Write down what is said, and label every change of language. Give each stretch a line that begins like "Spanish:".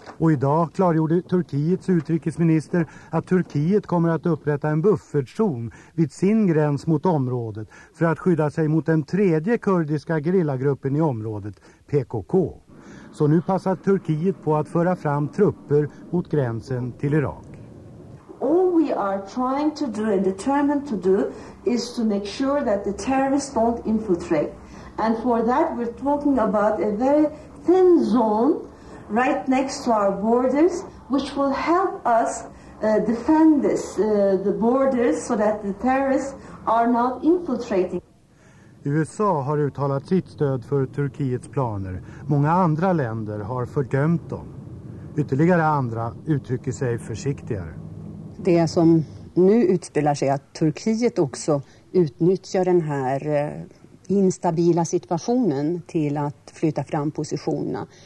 Swedish: Och idag klargjorde Turkiets utrikesminister att Turkiet kommer att upprätta en buffertzon vid sin gräns mot området för att skydda sig mot den tredje kurdiska gerillagruppen i området, PKK. Så nu passar Turkiet på att föra fram trupper mot gränsen till Irak.
English: All we are trying to do and determined to do is to make sure that the terrorists don't infiltrate. And for that we're talking about a very thin zone right next to our borders, which will help us defend this, the borders, so that the terrorists are not infiltrating.
Swedish: USA har uttalat sitt stöd för Turkiets planer. Många andra länder har fördömt dem. Ytterligare andra uttrycker sig försiktigare. Det som nu utspelar sig är att Turkiet också utnyttjar den här instabila situationen till att flytta fram positionerna.